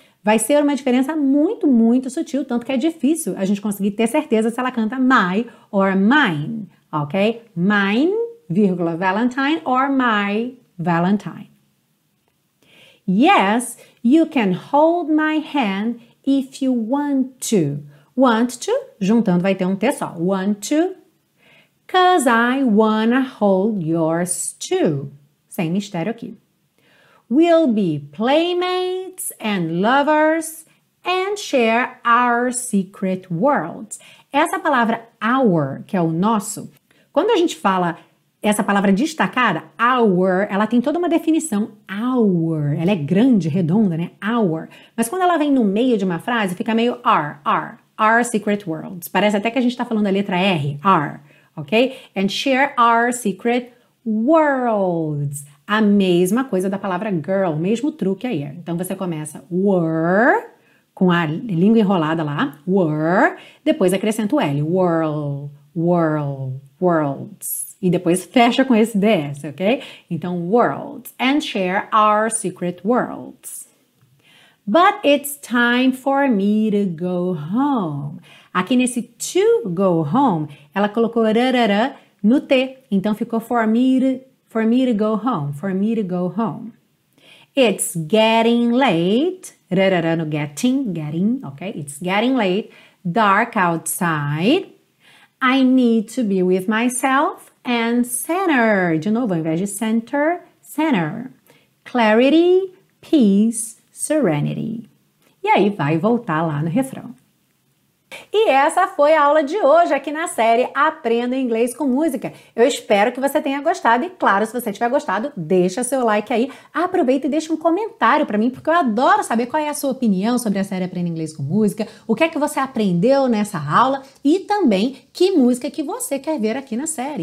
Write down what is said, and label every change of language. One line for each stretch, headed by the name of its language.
Portuguese: Vai ser uma diferença muito, muito sutil, tanto que é difícil a gente conseguir ter certeza se ela canta my or mine, ok?
English: Mine, vírgula, Valentine or my Valentine. Yes, you can hold my hand if you want to. Want to,
Portuguese: juntando vai ter um T só.
English: Want to, 'cause I wanna hold yours too.
Portuguese: Sem mistério aqui.
English: We'll be playmates and lovers and share our secret worlds.
Portuguese: Essa palavra our, que é o nosso, quando a gente fala essa palavra destacada, our, ela tem toda uma definição, our, ela é grande, redonda, né, our. Mas quando ela vem no meio de uma frase, fica meio r,
English: our secret worlds.
Portuguese: Parece até que a gente está falando a letra R, ok?
English: And share our secret worlds.
Portuguese: A mesma coisa da palavra girl, o mesmo truque aí. Então você começa were, com a língua enrolada lá, were, depois acrescenta o L, world, world, worlds. E depois fecha com esse DS, ok?
English: Então, worlds, and share our secret worlds. But it's time for me to go home.
Portuguese: Aqui nesse to go home, ela colocou rarara no T. Então, ficou
English: for me to go home. It's getting late.
Portuguese: Rarara no getting, ok?
English: It's getting late. Dark outside. I need to be with myself. And center,
Portuguese: de novo, ao invés de center, center.
English: Clarity, peace, serenity.
Portuguese: E aí vai voltar lá no refrão. E essa foi a aula de hoje aqui na série Aprenda Inglês com Música. Eu espero que você tenha gostado e, claro, se você tiver gostado, deixa seu like aí. Aproveita e deixa um comentário para mim, porque eu adoro saber qual é a sua opinião sobre a série Aprenda Inglês com Música, o que é que você aprendeu nessa aula e também que música que você quer ver aqui na série.